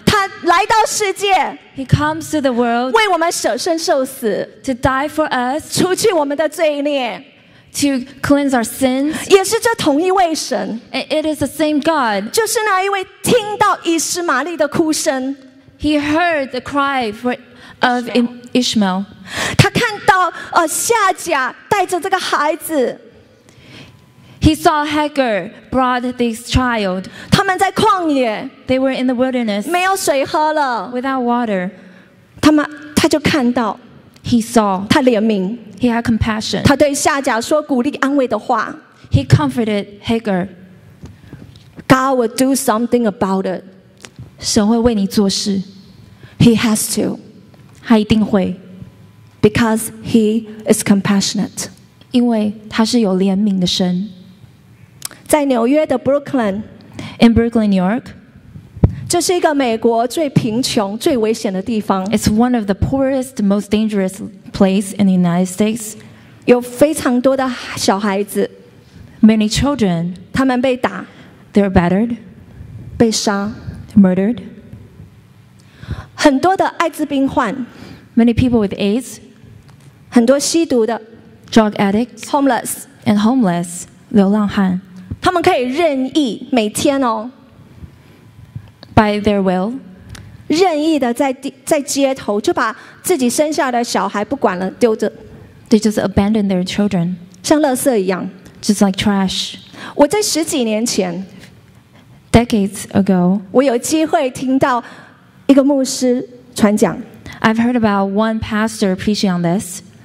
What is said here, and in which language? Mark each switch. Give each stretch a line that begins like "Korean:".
English: He comes to the world to die for us. To cleanse our sins,
Chinese: 也是这同一位神
English: It is the same God.
Chinese: 就是那一位听到以实玛利的哭声
English: He heard the cry of Ishmael.
Chinese: 他看到夏甲带着这个孩子。
English: He saw Hagar brought this child.
Chinese: 他们在旷野。
English: They were in the wilderness.
Chinese: 没有水喝了。
English: Without water.
Chinese: 他就看到。
English: He saw.
Chinese: 他怜悯。
English: He had compassion.
Chinese: 他对夏甲说鼓励安慰的话。
English: He comforted Hagar. God will do something about it.
Chinese: 神会为你做事。
English: He has to.
Chinese: 他一定会。
English: Because he is compassionate.
Chinese: 因为他是有怜悯的神。在纽约的 Brooklyn.
English: In Brooklyn, New York.
Chinese: 这是一个美国最贫穷、最危险的地方。
English: It's one of the poorest, most dangerous places in the United States.
Chinese: 有非常多的小孩子。
English: Many children.
Chinese: 他们被打。
English: They're battered.
Chinese: 被杀。
English: Murdered.
Chinese: 很多的艾滋病患。
English: Many people with AIDS.
Chinese: 很多吸毒的。
English: Drug addicts. Homeless. And homeless.
Chinese: 流浪汉。他们可以任意每天哦。
English: By their will.
Chinese: 任意的在街头就把自己生下的小孩不管了丢着。
English: They just abandon their children.
Chinese: 像垃圾一样。
English: Just like trash.
Chinese: 我在十几年前。
English: Decades ago.
Chinese: 我有机会听到一个牧师传讲。
English: I've heard about one pastor preaching on this.